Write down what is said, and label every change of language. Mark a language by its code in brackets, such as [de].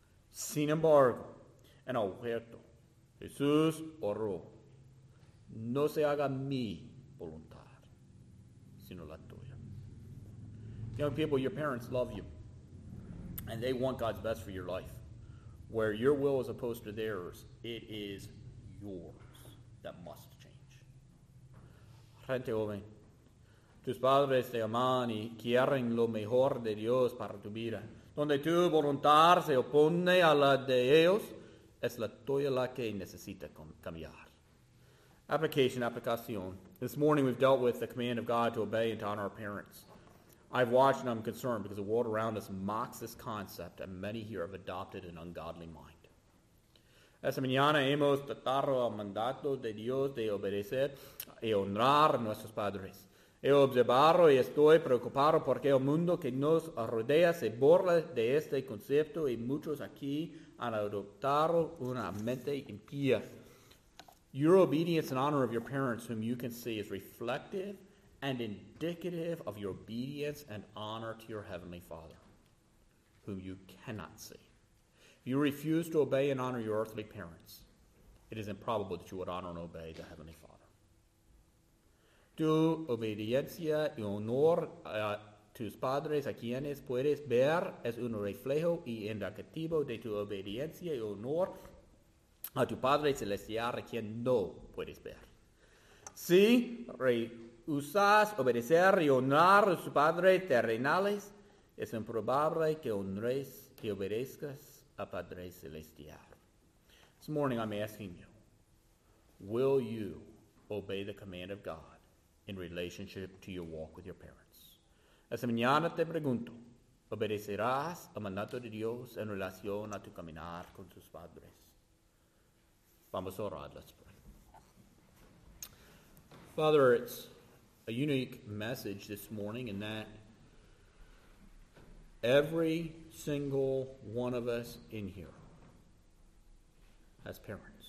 [es] Sin embargo, en el huerto, Jesús oró, "No se haga mi voluntad, sino la tuya." [en] Young people, your parents love you, and they want God's best for your life. Where your will is opposed to theirs, it is yours that must change. [es] Gente joven, tus padres te aman y quieren lo mejor de Dios para tu vida. Donde tu voluntad se opone a la de ellos, es la tuya la que necesita cambiar. Aplicación. [en] This morning we've dealt with the command of God to obey and to honor our parents. I've watched and I'm concerned because the world around us mocks this concept and many here have adopted an ungodly mind. [es] Esta mañana hemos tratado el mandato de Dios de obedecer y honrar a nuestros padres. He observado y estoy preocupado porque el mundo que nos rodea se burla de este concepto y muchos aquí han adoptado una mente impía. [en] Your obedience and honor of your parents, whom you can see, is reflective and indicative of your obedience and honor to your Heavenly Father, whom you cannot see. If you refuse to obey and honor your earthly parents, it is improbable that you would honor and obey the Heavenly Father. [es] Tu obediencia y honor a tus padres, a quienes puedes ver, es un reflejo y indicativo de tu obediencia y honor a tu Padre Celestial, a quien no puedes ver. Si rehusas obedecer y honrar a tus padres terrenales, es improbable que honres y obedezcas a Padre Celestial. [en] This morning I'm asking you, will you obey the command of God in relationship to your walk with your parents? [es] Esta mañana te pregunto, ¿obedecerás al mandato de Dios en relación a tu caminar con tus padres? Vamos a orar, [en] let's pray. Father, it's a unique message this morning in that every single one of us in here has parents.